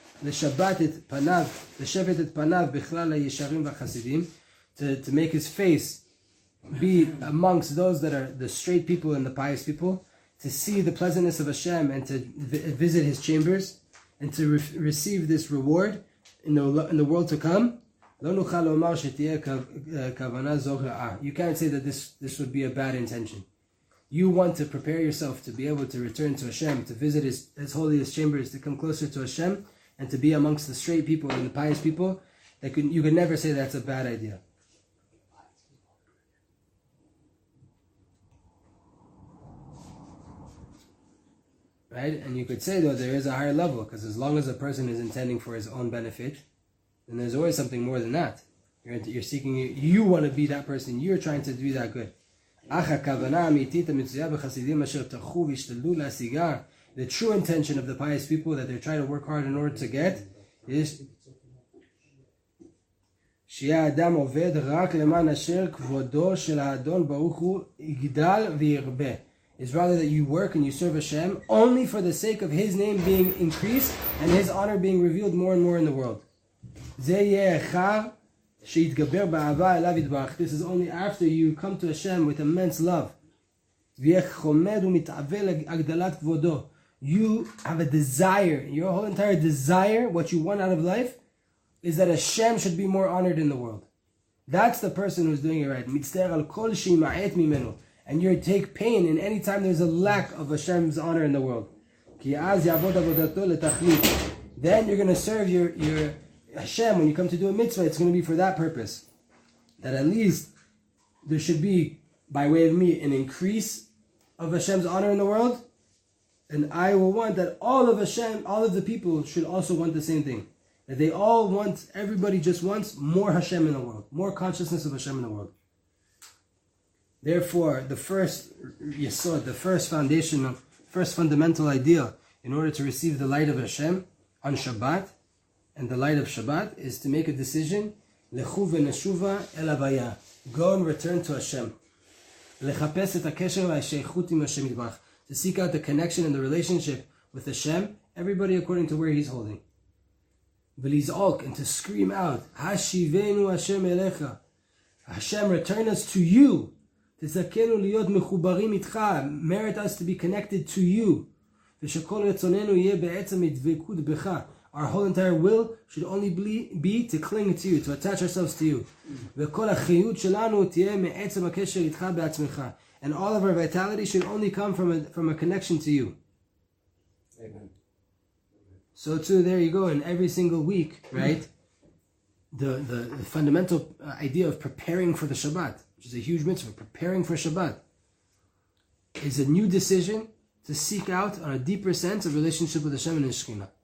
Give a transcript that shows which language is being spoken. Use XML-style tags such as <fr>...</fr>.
<he>לשבת את פניו, לשבת את פניו בכלל הישרים והחסידים,</he> <en>to make his face be amongst those that are the straight people and the pious people, to see the pleasantness of Hashem and to visit his chambers and to receive this reward in the world to come.</en> <he>לא נוכל לומר שתהיה כוונה זו רעה.</he> <en>You can't say that this would be a bad intention. You want to prepare yourself to be able to return to Hashem, to visit his holiest chambers, to come closer to Hashem, and to be amongst the straight people and the pious people. You can never say that's a bad idea. Right? And you could say, though, there is a higher level, because as long as a person is intending for his own benefit, then there's always something more than that. You're seeking, you want to be that person, you're trying to do that good. The true intention of the pious people that they're trying to work hard in order to get is</en> <he>שיהיה אדם עובד רק למען אשר כבודו של האדון ברוך הוא יגדל וירבה.</he> <en>It's rather that you work and you serve Hashem only for the sake of His name being increased and His honor being revealed more and more in the world.</en> <he>זה יהיה אחר שיתגבר באהבה אליו יתברך.</he> <en>This is only after you come to Hashem with immense love.</en> <he>ויהיה חומד ומתעווה להגדלת כבודו.</he> <en>You have a desire, your whole entire desire, what you want out of life, is that Hashem should be more honored in the world. That's the person who's doing it right.</en> <he>מצטער על כל שימעט ממנו.</he> <en>And you take pain in any time there's a lack of Hashem's honor in the world.</en> <he>כי אז יעבוד עבודתו לתכלית.</he> <en>Then you're going to serve your Hashem when you come to do a mitzvah. It's going to be for that purpose. That at least there should be, by way of me, an increase of Hashem's honor in the world. And I will want that all of Hashem, all of the people should also want the same thing. That they all want, everybody just wants more Hashem in the world. More consciousness of Hashem in the world. Therefore, the first yesod, the first fundamental idea in order to receive the light of Hashem on Shabbat, and the light of Shabbat, is to make a decision,</en> <he>lechu v'neshuva el havaya.</he> <en>Go and return to Hashem.</en> <he>Lechapes et hakesher v'hashaychut im Hashem yitbarach.</he> <en>To seek out the connection and the relationship with Hashem, everybody according to where he's holding.</en> <he>V'lizalk,</he> <en>and to scream out,</en> <he>Hashivenu Hashem elecha.</he> <en>Hashem, return us to you.</en> <he>תזכנו להיות מחוברים איתך,</he> <en>merit us to be connected to you.</en> <he>ושכל רצוננו יהיה בעצם מדבקות בך.</he> <en>Our whole entire will should only be to cling to you, to attach ourselves to you.</en> <he>וכל החיות שלנו תהיה מעצם הקשר איתך בעצמך.</he> <en>And all of our vitality should only come from a connection to you. Amen. So too, there you go. And every single week, right? The fundamental idea of preparing for the Shabbat, which is a huge mitzvah, preparing for Shabbat, is a new decision to seek out on a deeper sense of relationship with Hashem and His Shekhinah.</en>